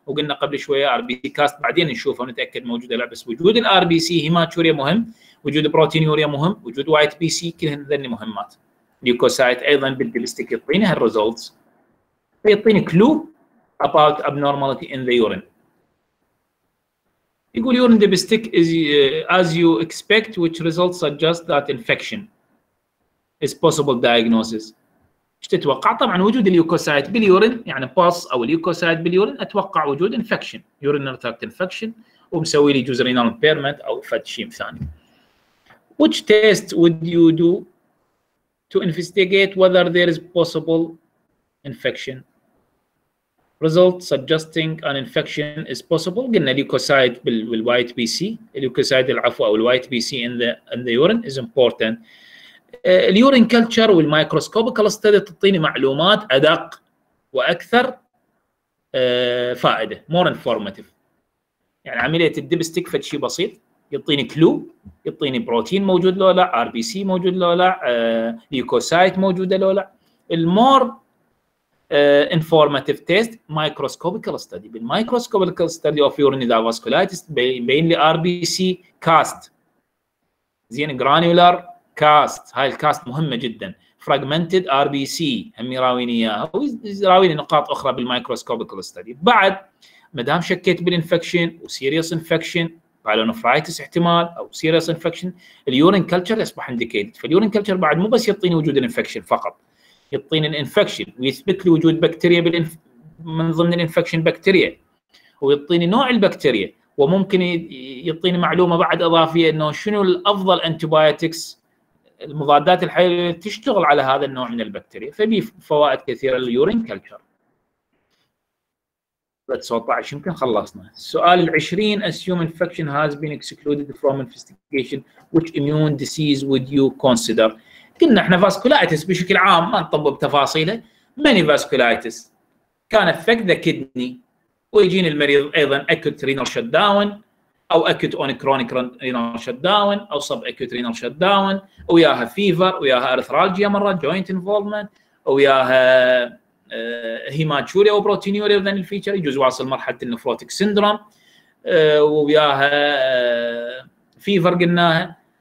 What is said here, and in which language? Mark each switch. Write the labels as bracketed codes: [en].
[ar] وقلنا قبل شوية RBC كاست بعدين نشوفه ونتأكد موجودة لا، بس وجود RBC هيماتوريا مهم، وجود بروتينوريا مهم، وجود وايت بي سي كلهن ذني مهمات. ليوكوسايت أيضا بالدبستيك يعطيني هالريزولتس، يعطيني كلو [en] about abnormality in the urine. يقول urine dipstick is as you expect, which results suggest that infection is possible diagnosis. [ar] إيش تتوقع؟ طبعاً وجود اليوكوسايت باليورين يعني باص أو اليوكوسايت باليورين أتوقع وجود infection, urinary tract infection, ومسوي لي جزء renal impairment أو فد شيء ثاني. [en] Which test would you do to investigate whether there is possible infection? Result suggesting an infection is possible. قلنا leukocyte بال white BC. Leukocyte [ar] العفو أو [en] white BC in the urine is important. [ar] Urine culture والmicroscopical study تعطيني معلومات أدق وأكثر فائدة. [en] More informative. [ar] يعني عملية الدبستيك فد شيء بسيط. يعطيني كلو. يعطيني بروتين موجود لو لا. RBC موجود لو لا. Leukocyte موجودة لو لا. [en] More informative test, microscopical study. The microscopical study of urinary vasculitis mainly RBC cast. [ar] زين granular cast. هاي الكاست مهمة جدا. Fragmented RBC هم يراويني إياها. ويراويني نقاط أخرى بالmicroscopical study. بعد مدام شكيت بالinfection و serious infection, pyelonephritis احتمال أو serious infection, urine culture يصبح indicated. فالurine culture بعد مو بس يعطيني وجود infection فقط. يعطيني الانفكشن ويثبت لي وجود بكتيريا من ضمن الانفكشن بكتيريا، ويعطيني نوع البكتيريا، وممكن يعطيني معلومه بعد اضافيه انه شنو الافضل انتيبايوتكس المضادات الحيويه تشتغل على هذا النوع من البكتيريا. ففي فوائد كثيره لليورين كلتشر. 19 يمكن خلصنا. السؤال العشرين: [en] assume infection has been excluded from investigation, which immune disease would you consider? [ar] كنا احنا فاسكولايتس بشكل عام، ما نطب بتفاصيله، [en] many vasculitis can affect the kidney, [ar] ويجيني المريض ايضا اكوت رينال شت داون او اكوت اون كرونيك رينال شت داون او سب اكوت رينال شت داون، وياها فيفر، وياها ارثرالجيا مرات جوينت انفولفمنت، وياها هيماتوريا وبروتينوريا ذن الفيتشر، يجوز واصل مرحله النفروتيك سيندروم، وياها فيفر قلناها.